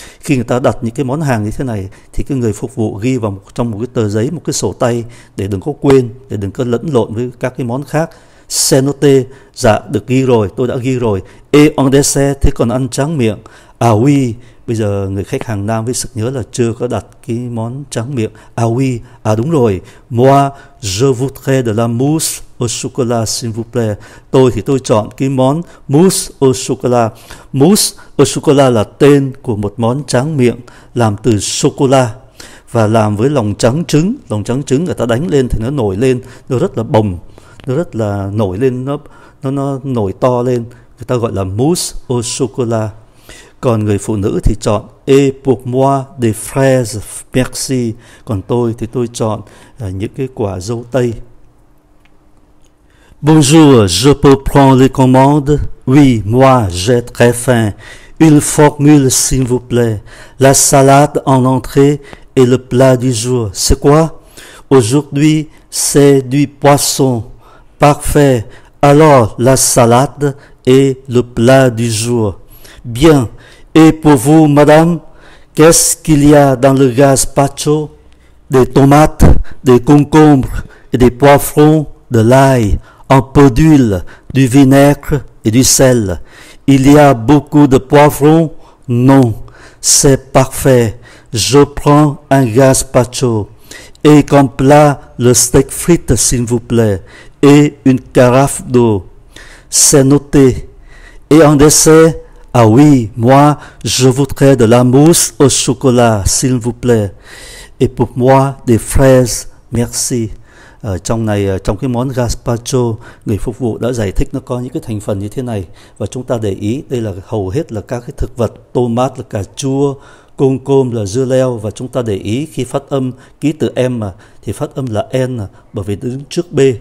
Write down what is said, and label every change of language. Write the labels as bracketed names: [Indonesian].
[Vietnamese] Khi người ta đặt những cái món hàng như thế này thì cái người phục vụ ghi vào trong một cái tờ giấy, một cái sổ tay để đừng có quên, để đừng có lẫn lộn với các cái món khác. [French] C'est noté. [Vietnamese] Dạ, được ghi rồi, tôi đã ghi rồi. [French] Et en dessert, [Vietnamese] thế còn ăn tráng miệng? À oui. Bây giờ người khách hàng nam với sực nhớ là chưa có đặt cái món tráng miệng. À oui. À đúng rồi. [French] Moi, je voudrais de la mousse au chocolat, s'il vous plaît. [Vietnamese] Tôi thì tôi chọn cái món mousse au chocolat. Mousse au chocolat là tên của một món tráng miệng làm từ sô-cô-la và làm với lòng trắng trứng. Lòng trắng trứng người ta đánh lên thì nó nổi lên, nó rất là bồng, nó rất là nổi lên, nó nổi to lên. Người ta gọi là mousse au chocolat. Còn người phụ nữ thì chọn [French] et pour moi des fraises, merci. [Vietnamese] Còn tôi thì tôi chọn những cái quả dâu tây. [French] Bonjour, je peux prendre les commandes? Oui, moi, j'ai très faim. Une formule, s'il vous plaît. La salade en entrée et le plat du jour. C'est quoi? Aujourd'hui, c'est du poisson. Parfait. Alors, la salade et le plat du jour. Bien. Et pour vous, madame, qu'est-ce qu'il y a dans le gazpacho? Des tomates, des concombres et des poivrons, de l'ail. Un peu d'huile, du vinaigre et du sel. Il y a beaucoup de poivrons? Non. C'est parfait. Je prends un gazpacho. Et comme plat, le steak frites, s'il vous plaît. Et une carafe d'eau. c'est noté. Et en dessert, ah oui, moi, je voudrais de la mousse au chocolat, s'il vous plaît. Et pour moi, des fraises, merci. [Vietnamese] Trong này, trong cái món gazpacho, người phục vụ đã giải thích nó có những cái thành phần như thế này. Và chúng ta để ý, đây là hầu hết là các cái thực vật, tomat là cà chua, côm là dưa leo. Và chúng ta để ý khi phát âm ký từ M thì phát âm là N, bởi vì đứng trước B.